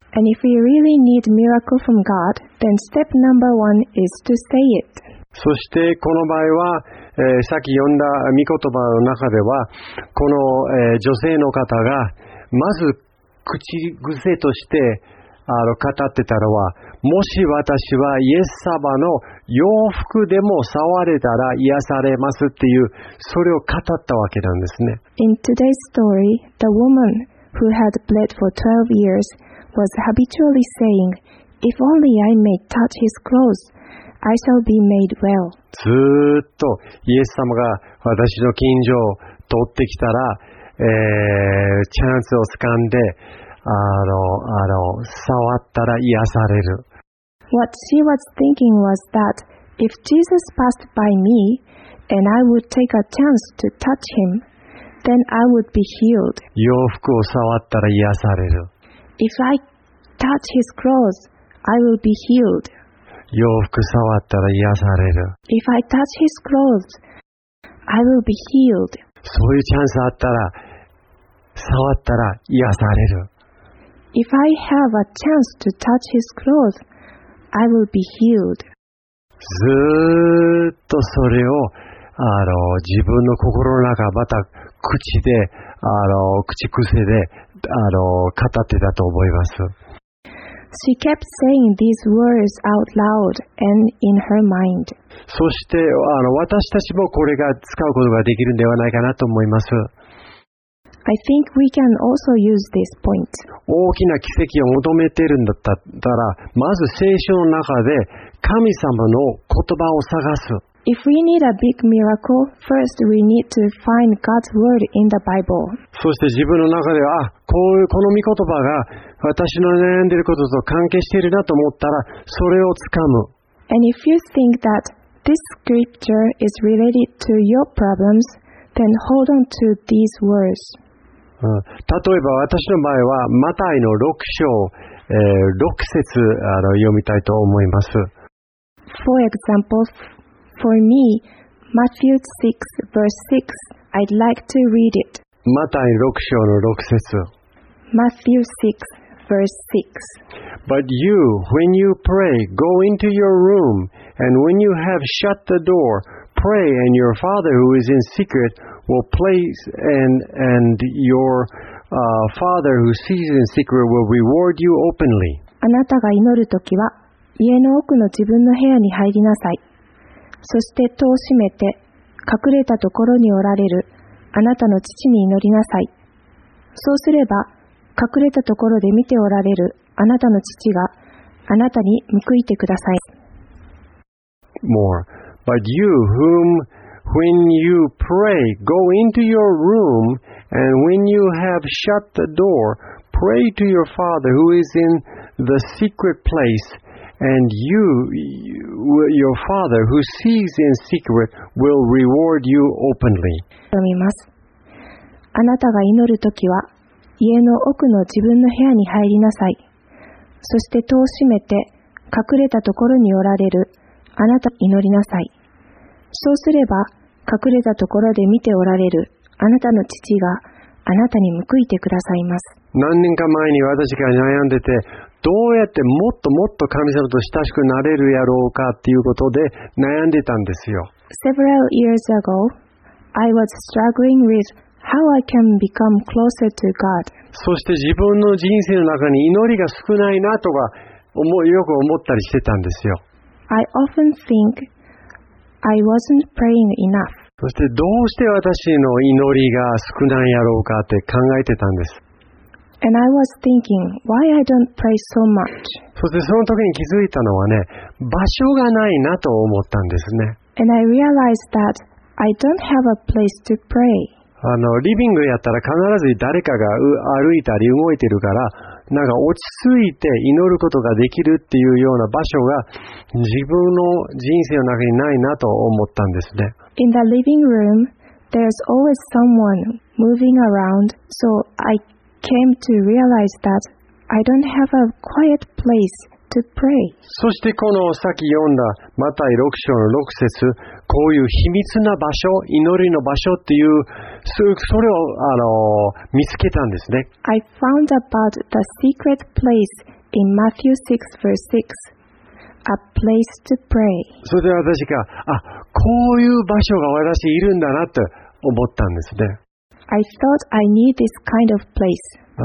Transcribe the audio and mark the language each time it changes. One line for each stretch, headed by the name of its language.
English: And if we really need miracle from God, then step number one is to say it.
Japanese: そしてこの場合は、さっき読んだ御言葉の中では、この、女性の方が、まず口癖として、語ってたのは、もし私はイエス様の洋服でも触れたら癒されますっていう、それを語ったわけなんですね。
English: In today's story, the woman who had bled for 12 years was habitually saying, If only I may touch his clothes, I shall be made well.
Japanese: ずっとイエス様が私の近所を通ってきたら、チャンスを掴んで、触ったら癒される。
English: What she was thinking was that if Jesus passed by me and I would take a chance to touch him, then I would be healed.
Japanese: 洋服を触ったら癒される。
English: If I touch his clothes, I will be healed.
Japanese: 洋服触ったら癒される。
English: If I touch his clothes, I will be healed.
Japanese: そういうチャンスあったら、触ったら癒される。
English: If I have a chance to touch his clothes, I will be healed.
Japanese: ずっとそれを自分の心の中また口で口癖で語ってたと思います。
English: She kept saying these words out loud and in her mind.
Japanese: そして私たちもこれが使うことができるんではないかなと思います。
English: I think we can also use this point.
Japanese: 大きな奇跡を求めているんだったら、まず聖書の中で神様の言葉を探す。
English: If we need a big miracle, first we need to find God's word in the Bible.
Japanese: そして自分の中で、この御言葉が私の悩んでいることと関係しているなと思ったら、それをつかむ。
English: And if you think that this scripture is related to your problems, then hold on to these words.
Japanese: 例えば私の場合はマタイの6章、6節読みたいと思います。
English: For example, for me, Matthew 6 verse 6, I'd like to read it.
Japanese: マタイ6章の6節。
English: Matthew 6 verse 6. But you, when you pray, go into your room, and when you have shut the door, pray, and your Father who is in secret,Will place and your father who sees in secret will reward you openly.
Japanese: あなたが祈るときは、家の奥の自分の部屋に入りなさい。そして戸を閉めて、隠れたところにおられるあなたの父に祈りなさい。そうすれば、隠れたところで見ておられるあなたの父があなたに報いてください。
English: More, but you whomWhen you pray, go into your room, and when you have shut the door, pray to your Father who is in the secret place, and your Father who sees in secret will reward you openly.
Japanese: 読みます。あなたが祈るときは、家の奥の自分の部屋に入りなさい。そして戸を閉めて、隠れたところにおられるあなたに祈りなさい。そうすれば、隠れたところで見ておられるあなたの父があなたに報いてくださいます。何年か前に私が悩んでて、どうやってもっともっと神様と親しくなれるやろうかっていうことで悩んでたんですよ。
English: Several years ago, I was struggling with how I can become closer to God.
Japanese: そして自分の人生の中に祈りが少ないなとか思いよく思ったりしてたんですよ。
English: I often thinkI wasn't praying enough.
Japanese: そしてどうして私の祈りが少ないやろうかって考えてたんです。
English: And I was thinking, why I don't pray so much?
Japanese: そしてその時に気づいたのはね、場所がないなと思ったんですね。
English: And I realized that I don't have a place to pray.
Japanese: あのリビングやったら必ず誰かが歩いたり動いてるから、なんか落ち着いて祈ることができるっていうような場所が自分の人生の中にないなと思ったんですね。
English: In the living room, there's always someone moving around, so I came to realize that I don't have a quiet place. To pray.
Japanese: そしてこのさっき読んだマタイ6章の6節、こういう秘密な場所、祈りの場所っていう、それを見つけたんですね。
English: I found about the secret place in Matthew 6 verse 6, a place to pray.
Japanese: それで私が、あ、こういう場所が私いるんだなと思ったんですね。
English: I thought I need this kind of place.